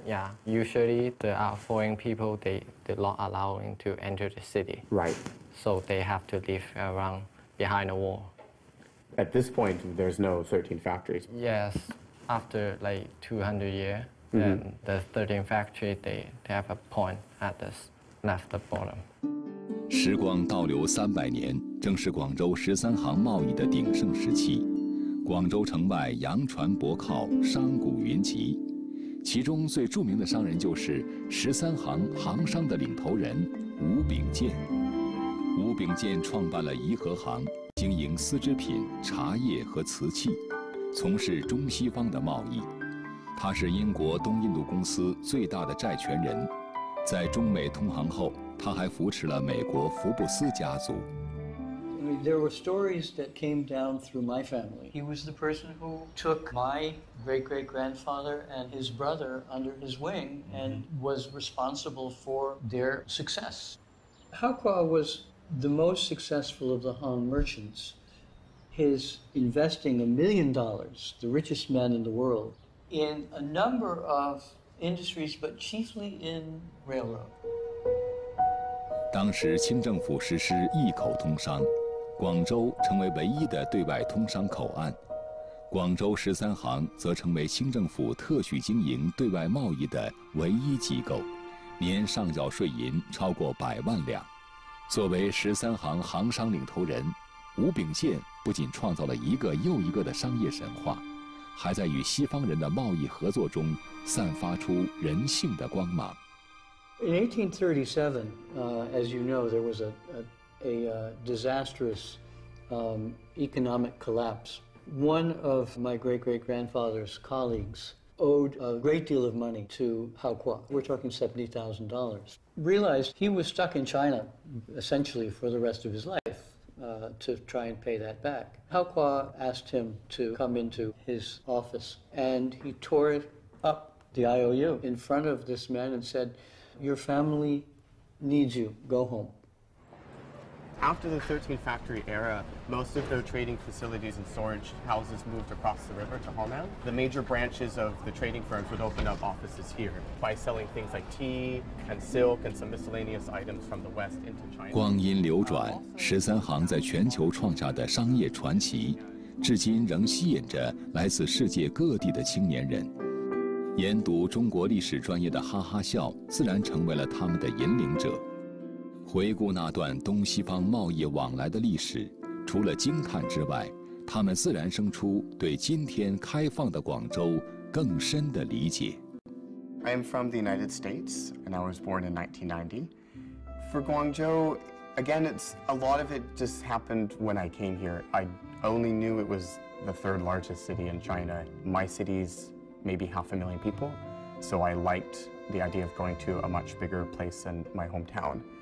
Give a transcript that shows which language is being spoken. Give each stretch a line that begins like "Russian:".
English: Yeah, usually the foreign people, they're not allowing to enter the city. Right. So they have to live around behind a wall. At this point, there's no 13 factories. Yes, after like 200 years, then the 13 factory, they have a point at this left the bottom.
Chinese: 时光倒流300年，正是广州十三行贸易的鼎盛时期。广州城外洋船泊靠，商贾云集，其中最著名的商人就是十三行行商的领头人吴秉鉴。吴秉鉴创办了怡和行，经营丝织品、茶叶和瓷器，从事中西方的贸易。他是英国东印度公司最大的债权人，在中美通航后，他还扶持了美国福布斯家族。
English: There were stories that came down through my family. He was the person who took my great-great-grandfather and his brother under his wing and was responsible for their success. Hakua was the most successful of the Han merchants. His investing $1 million, the richest man in the world, in a number of industries, but chiefly in railroad.
Chinese: 当时清政府实施一口通商，广州成为唯一的对外通商口岸，广州十三行则成为清政府特许经营对外贸易的唯一机构，年上缴税银超过100万两。作为十三行行商领头人，吴秉鉴不仅创造了一个又一个的商业神话，还在与西方人的贸易合作中散发出人性的光芒。
English: In 1837, as you know, there was a disastrous economic collapse. One of my great-great-grandfather's colleagues owed a great deal of money to Hao Kua. We're talking $70,000. Realized he was stuck in China, essentially, for the rest of his life to try and pay that back. Hao Kua asked him to come into his office, and he tore it up, the IOU, in front of this man and said,Your family needs you. Go home. After the 13 factory era, most of their trading facilities and storage houses moved across the river to Haumont. The major branches of the trading firms would open up offices here by selling things like tea and silk and some miscellaneous items from the west into China.
Chinese: 光阴流转，十三行在全球创下的商业传奇，至今仍吸引着来自世界各地的青年人。研读中国历史专业的哈哈笑自然成为了他们的引领者。回顾那段东西方贸易往来的历史，除了惊叹之外，他们自然生出对今天开放的广州更深的理解。
English: I am from the United States, and I was born in 1990. For Guangzhou, again, it's a lot of it just happened when I came here. I only knew it was the third largest city in China. My city's maybe 500,000 people, so I liked the idea of going to a much bigger place than my hometown.